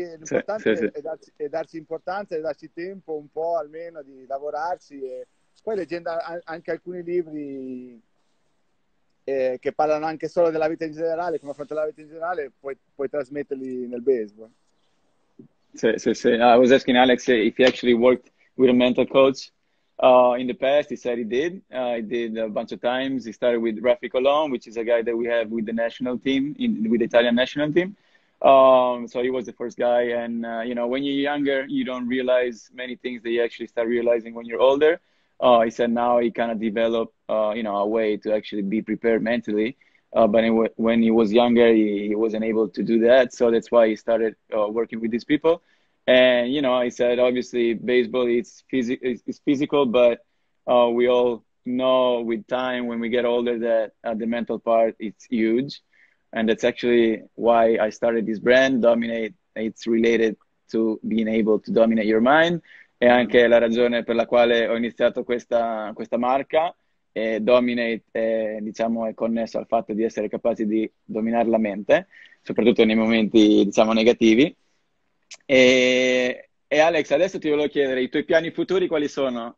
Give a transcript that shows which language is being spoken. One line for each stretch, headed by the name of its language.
Italian: l'importante è darci importanza e darci tempo un po' almeno di lavorarci. E poi leggendo anche alcuni libri che parlano anche solo della vita in generale, come affrontare la vita in generale, puoi trasmetterli nel baseball. Sì.
English: I was asking Alex if he actually worked with a mental coach in the past. He said he did. He did a bunch of times. He started with Rafi Colom, which is a guy that we have with the national team, with the Italian national team. So he was the first guy. And, when you're younger, you don't realize many things that you actually start realizing when you're older. He said now he kind of developed, a way to actually be prepared mentally. But when he was younger, he wasn't able to do that. So that's why he started working with these people. And, I said, obviously, baseball is physical, but we all know with time when we get older that the mental part is huge. And that's actually why I started this brand, Dominate. It's related to being able to dominate your mind.
Italian: E anche la ragione per la quale ho iniziato questa marca, Dominate, diciamo, è connesso al fatto di essere capaci di dominare la mente, soprattutto nei momenti, diciamo, negativi. E Alex, adesso ti volevo chiedere, i tuoi piani futuri quali sono?